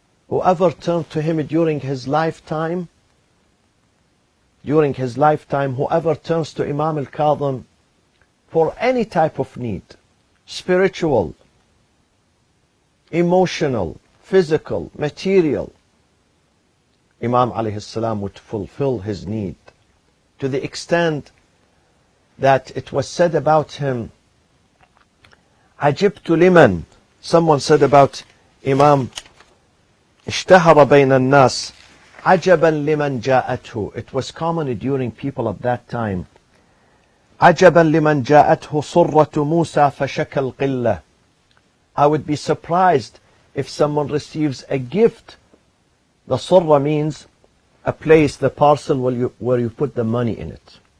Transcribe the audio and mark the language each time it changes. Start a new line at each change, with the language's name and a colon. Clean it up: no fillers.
English: Whoever turned to him during his lifetime, whoever turns to Imam al-Kadhim for any type of need, spiritual, emotional, physical, material, Imam alayhi salam would fulfill his need to the extent that it was said about him,
Arabic: عَجِبْتُ لِمَنْ.
English: Someone said about Imam,
Arabic: اشْتَهَرَ بَيْنَ النَّاسِ عَجَبًا لِمَنْ جَاءَتْهُ.
English: It was common during people of that time.
Arabic: عَجَبًا لِمَنْ جَاءَتْهُ صُرَّةُ مُوسَى فَشَكَ الْقِلَّةِ.
English: I would be surprised if someone receives a gift. The surah means a place, the parcel where you put the money in it.